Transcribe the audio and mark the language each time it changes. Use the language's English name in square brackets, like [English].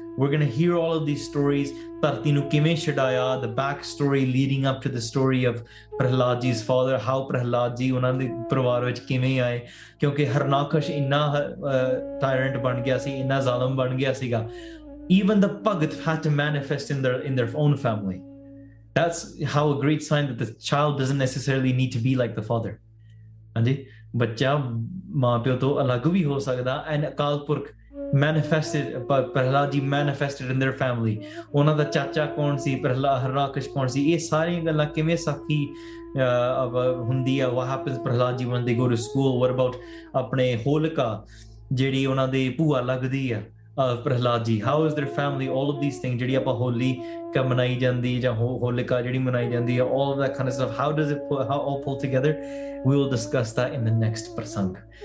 [English] we are going to hear all of these stories, [Punjabi] ਧਰਤੀ ਨੂੰ ਕਿਵੇਂ ਛਡਾਇਆ, [English] the back story leading up to the story of Prahlad ji's father, how Prahlad ji [Punjabi] ਉਹਨਾਂ ਦੇ ਪਰਿਵਾਰ ਵਿੱਚ ਕਿਵੇਂ ਆਏ, ਕਿਉਂਕਿ ਹਰਨਾਕਸ਼ ਇੰਨਾ ਟਾਇਰੈਂਟ ਬਣ ਗਿਆ ਸੀ, ਇੰਨਾ ਜ਼ਾਲਮ ਬਣ ਗਿਆ ਸੀਗਾ, [English] Even the bhagat had to manifest in their own family. That's how a great sign that the child doesn't necessarily need to be like the father. [Punjabi] ਹਾਂਜੀ, ਬੱਚਾ ਮਾਂ ਪਿਓ ਤੋਂ ਅਲੱਗ ਵੀ ਹੋ ਸਕਦਾ. [English] and Akal Purakh manifested, [Punjabi] ਪ੍ਰਹਲਾਦ ਜੀ [English] manifested in their family, [Punjabi] ਉਹਨਾਂ ਦਾ ਚਾਚਾ ਕੌਣ ਸੀ, ਪ੍ਰਹਲਾਦ ਹਰਨਾਕਸ਼ ਕੌਣ ਸੀ, ਇਹ ਸਾਰੀਆਂ ਗੱਲਾਂ ਕਿਵੇਂ ਸਾਖੀ ਹੁੰਦੀ ਆ. [English] what happens Prahlad ji when they go to school, what about [Punjabi] ਆਪਣੇ ਹੋਲਕਾ ਜਿਹੜੀ ਉਹਨਾਂ ਦੀ ਭੂਆ ਲੱਗਦੀ ਆ ਪ੍ਰਹਲਾਦ ਜੀ, [English] how is their family, all of these thing, [Punjabi] ਜਿਹੜੀ ਆਪਾਂ ਹੋਲੀ ਕਾ ਮਨਾਈ ਜਾਂਦੀ ਜਾਂ ਹੋਲਿਕਾ ਜਿਹੜੀ ਮਨਾਈ ਜਾਂਦੀ ਹੈ, [English] All that kind of stuff, how does it, how all pull together, we will discuss that in the next ਪ੍ਰਸੰਗ.